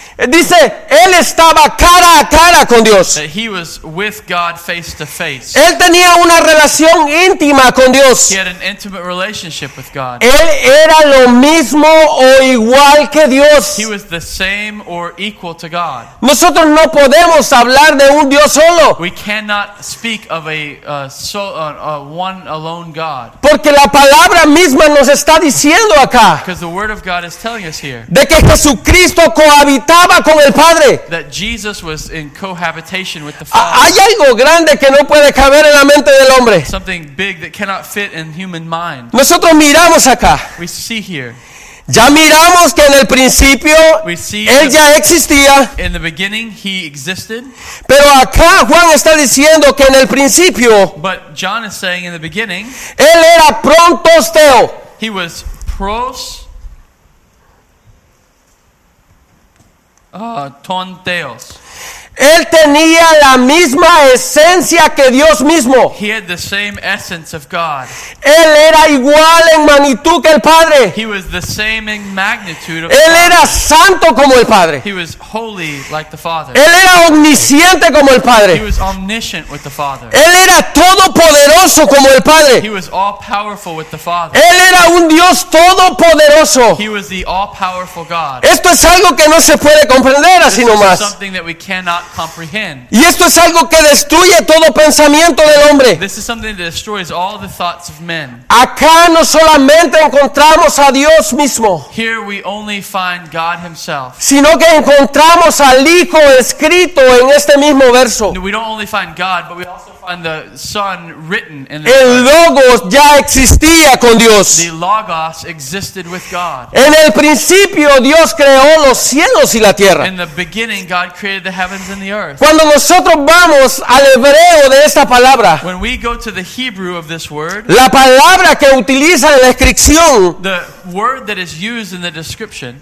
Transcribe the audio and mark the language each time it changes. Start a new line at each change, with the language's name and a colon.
Spanish: Dice, él estaba cara a cara con Dios.
English: That he was with God face to face.
Spanish: Él tenía una relación íntima con Dios.
English: He had an intimate relationship with God.
Spanish: Él era lo mismo o igual que Dios.
English: He was the same or equal to God.
Spanish: Nosotros no podemos hablar de un Dios solo.
English: We cannot speak of a one alone God.
Spanish: Porque la palabra misma nos está diciendo acá.
English: Because the word of God is telling us here.
Spanish: De que Jesucristo cohabitaba con el Padre.
English: That Jesus was in cohabitation with the Father.
Spanish: Hay algo grande que no puede caber en la mente del hombre.
English: Something big that cannot fit in human mind.
Spanish: Nosotros miramos acá.
English: We see here.
Spanish: Ya miramos que en el principio él ya existía.
English: In the beginning he existed.
Spanish: Pero acá Juan está diciendo que en el principio.
English: But John is saying in the beginning.
Spanish: Él era prontos theo.
English: He was pros. Tonteos.
Spanish: Él tenía la misma esencia que Dios mismo.
English: He had the same essence of God.
Spanish: Él era igual en magnitud que el Padre.
English: He was the same in magnitude of
Spanish: Él
English: God.
Spanish: Era santo como el Padre.
English: He was holy like the Father.
Spanish: Él era omnisciente como el Padre.
English: He was omniscient with the Father.
Spanish: Él era todopoderoso como el Padre.
English: He was all-powerful with the Father.
Spanish: Él era un Dios todopoderoso.
English: He was the all-powerful God.
Spanish: Esto es algo que no se puede comprender así nomás.
English: Not comprehend.
Spanish: Y esto es algo que destruye todo pensamiento del hombre.
English: This is something that destroys all the thoughts of men.
Spanish: Acá no solamente encontramos a Dios mismo.
English: Here we only find God himself.
Spanish: Sino que encontramos al Hijo escrito en este mismo verso.
English: We don't only find God, but we also find the Son written in the
Spanish: El Logos ya existía con Dios.
English: The Logos existed with God.
Spanish: En el principio Dios creó los cielos y la tierra.
English: In the beginning God created the heavens and the earth.
Spanish: Cuando nosotros vamos al hebreo de esta palabra,
English: when we go to the Hebrew of this word,
Spanish: la palabra que utiliza en la descripción,
English: the word that is used in the description,